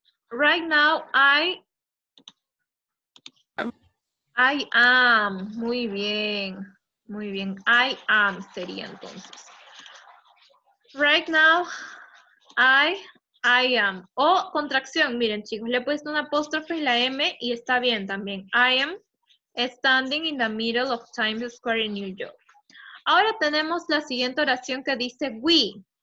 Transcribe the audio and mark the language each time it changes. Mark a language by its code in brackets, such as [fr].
[en] Right now, I am. [es] Muy bien. Muy bien. [en] I am [es] sería entonces. [en] Right now, I am. [es] O contracción, miren, chicos, le he puesto un apóstrofe en la M y está bien también. [en] I am. Standing in the middle of Times Square in New York. [es] Ahora tenemos la siguiente oración que dice we.